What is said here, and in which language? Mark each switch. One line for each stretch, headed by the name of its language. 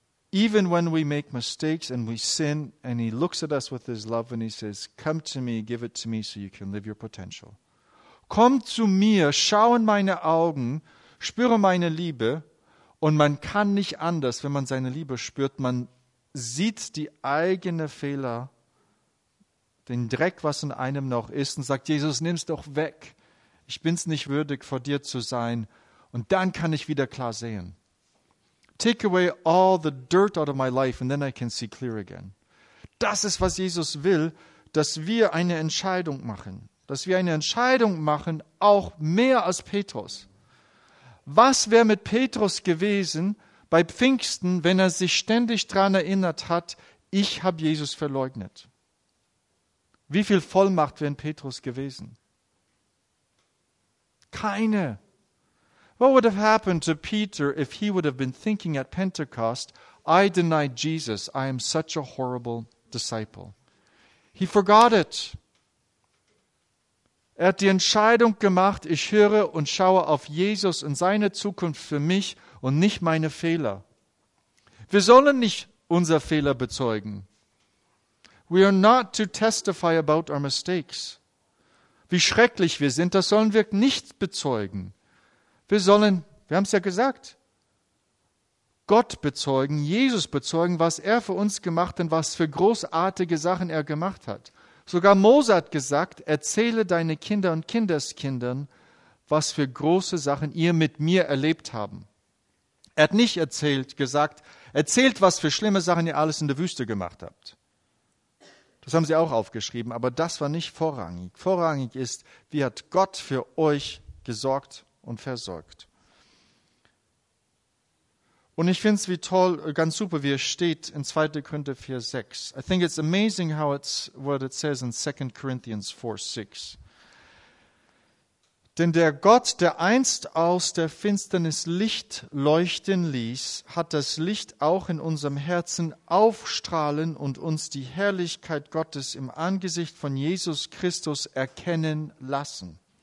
English: Even when we make mistakes and we sin, and he looks at us with his love and he says, come to me, give it to me, so you can live your potential.
German: Komm zu mir, schau in meine Augen, spüre meine Liebe, und man kann nicht anders, wenn man seine Liebe spürt, man sieht die eigene Fehler, den Dreck, was in einem noch ist, und sagt, Jesus, nimm's doch weg. Ich bin's nicht würdig, vor dir zu sein. Und dann kann ich wieder klar sehen.
English: Take away all the dirt out of my life and then I can see clear again.
German: Das ist, was Jesus will, dass wir eine Entscheidung machen. Dass wir eine Entscheidung machen, auch mehr als Petrus. Was wäre mit Petrus gewesen bei Pfingsten, wenn er sich ständig daran erinnert hat, ich habe Jesus verleugnet? Wie viel Vollmacht wäre in Petrus gewesen? Keine.
English: What would have happened to Peter if he would have been thinking at Pentecost, I denied Jesus, I am such a horrible disciple. He forgot it.
German: Er hat die Entscheidung gemacht, ich höre und schaue auf Jesus und seine Zukunft für mich und nicht meine Fehler. Wir sollen nicht unser Fehler bezeugen.
English: We are not to testify about our mistakes.
German: Wie schrecklich wir sind, das sollen wir nicht bezeugen. Wir haben es ja gesagt, Gott bezeugen, Jesus bezeugen, was er für uns gemacht und was für großartige Sachen er gemacht hat. Sogar Mose hat gesagt, erzähle deine Kinder und Kindeskindern, was für große Sachen ihr mit mir erlebt haben. Er hat nicht erzählt, was für schlimme Sachen ihr alles in der Wüste gemacht habt. Das haben sie auch aufgeschrieben, aber das war nicht vorrangig. Vorrangig ist, wie hat Gott für euch gesorgt und versorgt. Und ich finde es wie toll, ganz super, wie es steht in 2. Korinther 4, 6.
English: I think it's amazing how it's what it says in 2 Corinthians 4, 6.
German: Denn der Gott, der einst aus der Finsternis Licht leuchten ließ, hat das Licht auch in unserem Herzen aufstrahlen und uns die Herrlichkeit Gottes im Angesicht von Jesus Christus erkennen lassen.